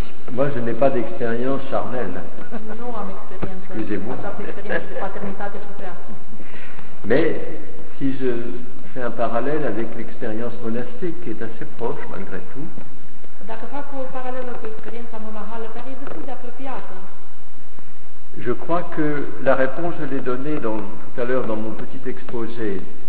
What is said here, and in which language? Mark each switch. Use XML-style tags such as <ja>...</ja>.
<fr>Moi, je n'ai pas d'expérience charnelle. Non, à l'expérience. Excusez-moi. Pas d'expérience de paternité, je préfère. Mais si je fais un parallèle avec l'expérience monastique, qui est assez proche, malgré tout.</fr> <ro>Dacă fac un paralel cu experiența monahală, care e destul de apropiată.</ro> <fr>Je crois que la réponse je l'ai donnée dans, tout à l'heure dans mon petit exposé.</fr>